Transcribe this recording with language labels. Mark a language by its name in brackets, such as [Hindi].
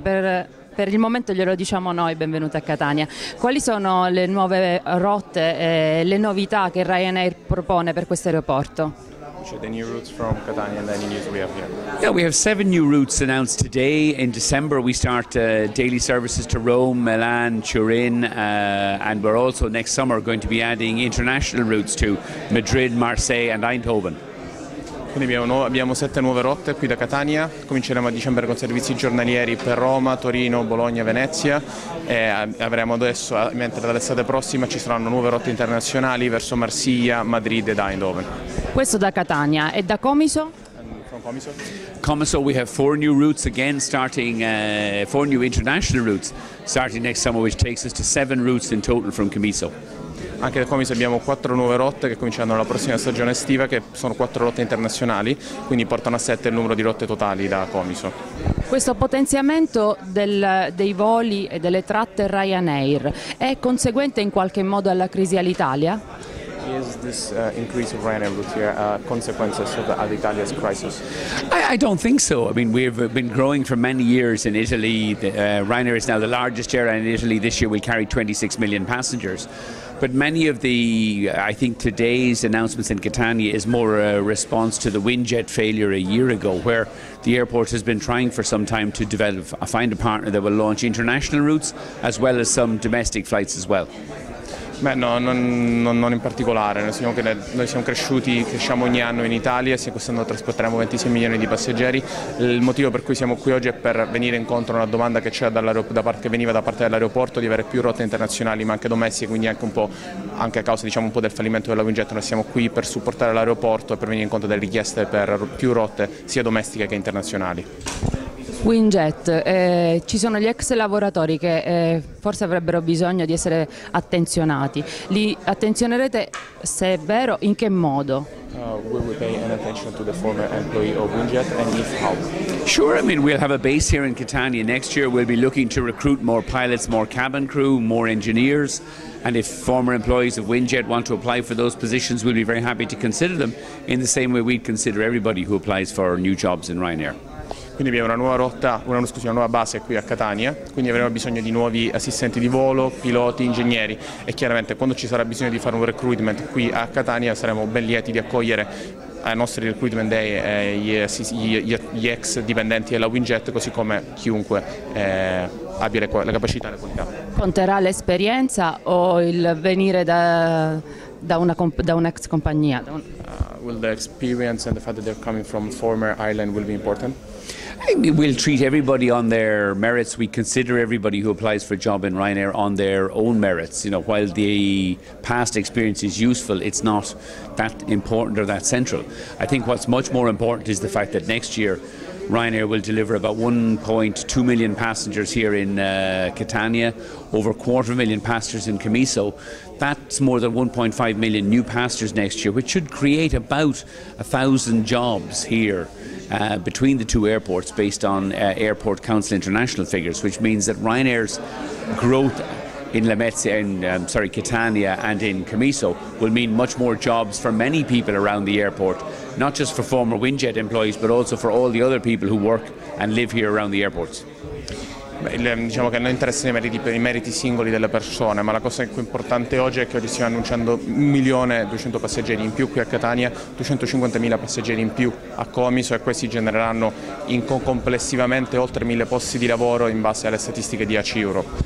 [Italian] Per il momento glielo diciamo noi, benvenuto a Catania. Quali sono le nuove rotte e le novità che Ryanair propone per questo aeroporto? [English] The new routes from Catania and any news we have here. Yeah, we have 7 new routes announced today. In December, we start daily services to Rome, Milan, Turin, and we're also next summer going to be adding international routes to Madrid, Marseille and Eindhoven. [Italian] Quindi abbiamo 7 nuove rotte qui da Catania, cominceremo a dicembre con servizi giornalieri per Roma, Torino, Bologna, Venezia e avremo adesso, mentre dall'estate prossima ci saranno nuove rotte internazionali verso Marsiglia, Madrid ed Eindhoven. Questo da Catania e da Comiso? [English] Comiso, we have 4 new routes again starting, 4 new international routes starting next summer which takes us to 7 routes in total from Comiso. [Italian] Anche da Comiso abbiamo 4 nuove rotte che cominceranno la prossima stagione estiva, che sono 4 rotte internazionali, quindi portano a 7 il numero di rotte totali da Comiso. Questo potenziamento dei voli e delle tratte Ryanair è conseguente in qualche modo alla crisi all'Italia? [English] Is this increase of Ryanair routes here consequences of Alitalia's crisis? I don't think so. I mean, we've been growing for many years in Italy. Ryanair is now the largest airline in Italy. This year we carry 26 million passengers. But many of the, I think today's announcements in Catania is more a response to the Windjet failure a year ago, where the airport has been trying for some time to develop, find a partner that will launch international routes as well as some domestic flights as well. [Italian] Beh, no, non in particolare, noi cresciamo ogni anno in Italia, quest'anno trasporteremo 26 milioni di passeggeri. Il motivo per cui siamo qui oggi è per venire incontro a una domanda che veniva da parte dell'aeroporto di avere più rotte internazionali ma anche domestiche, quindi anche a causa un po' del fallimento della Windjet, noi siamo qui per supportare l'aeroporto e per venire incontro delle richieste per più rotte sia domestiche che internazionali. Windjet, ci sono gli ex lavoratori che forse avrebbero bisogno di essere attenzionati. Li attenzionerete, se è vero, in che modo? [English] Will we pay an attention to the former employee of Windjet and if how? Sure, I mean, we'll have a base here in Catania next year. We'll be looking to recruit more pilots, more cabin crew, more engineers. And if former employees of Windjet want to apply for those positions, we'll be very happy to consider them in the same way we consider everybody who applies for new jobs in Ryanair. [Italian] Quindi abbiamo una nuova base qui a Catania, quindi avremo bisogno di nuovi assistenti di volo, piloti, ingegneri e chiaramente quando ci sarà bisogno di fare un recruitment qui a Catania saremo ben lieti di accogliere ai nostri recruitment day gli ex dipendenti della Windjet così come chiunque abbia le capacità e le qualità. Conterà l'esperienza o il venire da un'ex compagnia? [English] Will the experience and the fact that they're coming from former island will be important? I mean, we'll treat everybody on their merits. We consider everybody who applies for a job in Ryanair on their own merits. You know, while the past experience is useful, it's not that important or that central. I think what's much more important is the fact that next year Ryanair will deliver about 1.2 million passengers here in Catania, over 250,000 passengers in Comiso. That's more than 1.5 million new passengers next year, which should create about 1,000 jobs here between the two airports based on Airport Council International figures, which means that Ryanair's growth in Catania and in Comiso will mean much more jobs for many people around the airport, not just for former Windjet employees but also for all the other people who work and live here around the airports. [Italian] Diciamo che non interessa i meriti singoli delle persone, ma la cosa più importante oggi è che oggi stiamo annunciando 1.200.000 passeggeri in più qui a Catania, 250.000 passeggeri in più a Comiso e questi genereranno complessivamente oltre 1.000 posti di lavoro in base alle statistiche di ACI Euro.